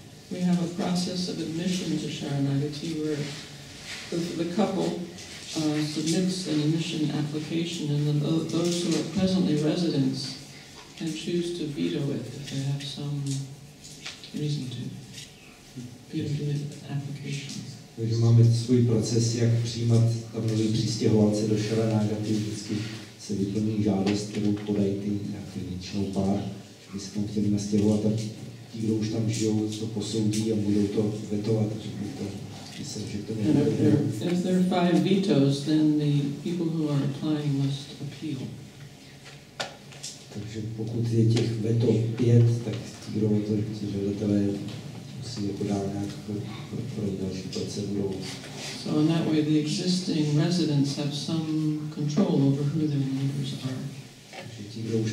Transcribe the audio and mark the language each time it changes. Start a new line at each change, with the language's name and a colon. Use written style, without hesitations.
English: We have a process of admission to Sharanagati where the couple submits an emission application, and then those who are presently residents can choose to veto it if they have some reason to veto the application.
Czech: Takže máme svůj proces, jak přijímat tam nový přistěhovalce do Šelena, a ty vždycky se vyplní žádost, kterou podají ty nějaký většinou pár, když se tam chtěli nastěhovat a ti, kdo už tam žijou, to posoudí a budou to vetovat, že by to, myslím, že to nebude.
English: And if there are five vetoes, then the people who are applying must appeal.
Czech: Takže pokud je těch veto pět, tak ti, kdo o to, ti žadatelé,
English: so in that way, the existing residents have some control over who their neighbors are.